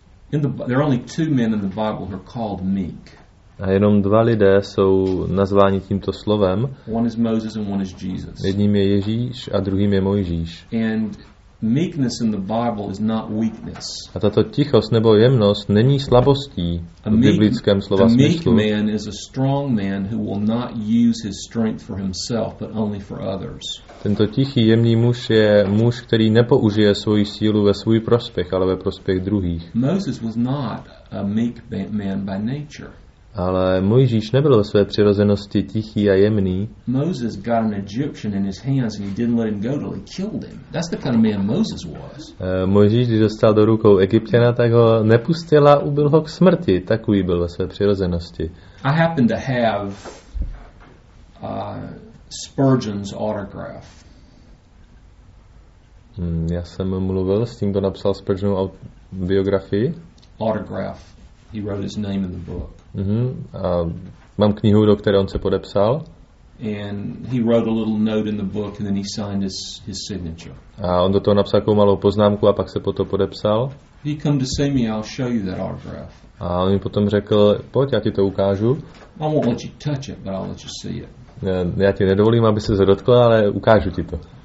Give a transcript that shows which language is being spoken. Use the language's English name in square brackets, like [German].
[English] There are only two men in the Bible who are called meek. [Czech] A jenom dva lidé jsou nazváni tímto slovem. [English] One is Moses and one is Jesus. [Czech] Jedním je Ježíš a druhým je Mojžíš. [English] And meekness in the Bible is not weakness. [Czech] A tato tichost nebo jemnost není slabostí v biblickém slova smyslu. [English] A meek man is a strong man who will not use his strength for himself, but only for others. [Czech] Tento tichý jemný muž je muž, který nepoužije svoji sílu ve svůj prospěch, ale ve prospěch druhých. [English] Moses was not a meek man by nature. [Czech] Ale Mojžíš nebyl ve své přirozenosti tichý a jemný. [English] Moses got an Egyptian in his hands and he didn't let him go till he killed him. That's the kind of man Moses was. [Czech] Mojžíš, když dostal do rukou Egypťana, tak ho nepustil a ubil ho k smrti. Takový byl ve své přirozenosti. [English] I happen to have Spurgeon's autograph. [Czech] Já jsem mluvil s tím, kdo napsal Spurgeonovu biografii. [English] Autograph. He wrote his name in the book. [Czech] A mám knihu, do které on se podepsal. [English] And he wrote a little note in the book and then he signed his signature. [Czech] A on do toho napsal takovou malou poznámku a pak se po to podepsal. [English] He come to see me, I'll show you that autograph. [Czech] A on mi potom řekl, pojď, já ti to ukážu. [English] I won't let you touch it, but I'll let you see it. [Czech] Já ti nedovolím, aby se dotkl, ale ukážu ti to.